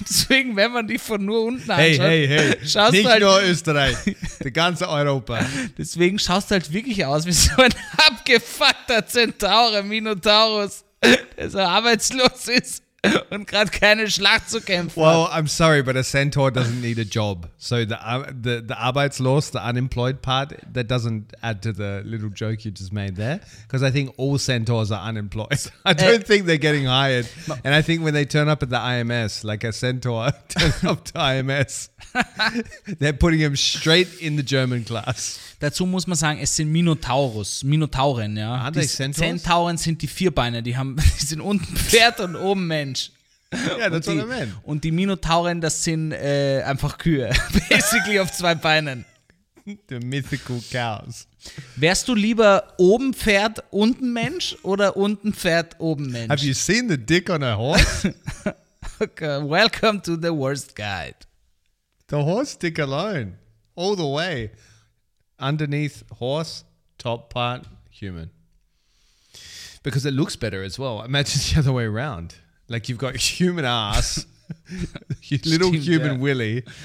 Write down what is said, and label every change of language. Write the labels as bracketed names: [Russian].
[German] Deswegen, wenn man die von nur unten anschaut, schaust nicht du halt, nur Österreich, die ganze Europa. Deswegen schaust du halt wirklich aus wie so ein abgefuckter Zentaure, Minotaurus. Der so arbeitslos ist und gerade keine Schlacht zu kämpfen hat. [English] Well, I'm sorry, but a centaur doesn't need a job. So the arbeitslos, the unemployed part, that doesn't add to the little joke you just made there. Because I think all centaurs are unemployed. I don't think they're getting hired. And I think when they turn up at the IMS, like a centaur turns up to IMS, they're putting him straight in the German class. [German] Dazu muss man sagen, es sind Minotaurus, Minotauren, ja. Zentauren sind die Vierbeiner, die sind unten Pferd und oben Mensch. Ja, das ist ein Und die Minotauren, das sind einfach Kühe, basically auf zwei Beinen. [English] The mythical cows. [German] Wärst du lieber oben Pferd, unten Mensch oder unten Pferd, oben Mensch? [English] Have you seen the dick on a horse? Okay, welcome to the worst guide. The horse dick alone, all the way. Underneath horse, top part, human. Because it looks better as well. Imagine the other way around. Like you've got human ass, little [German] Stimmt, [English] human yeah. willy.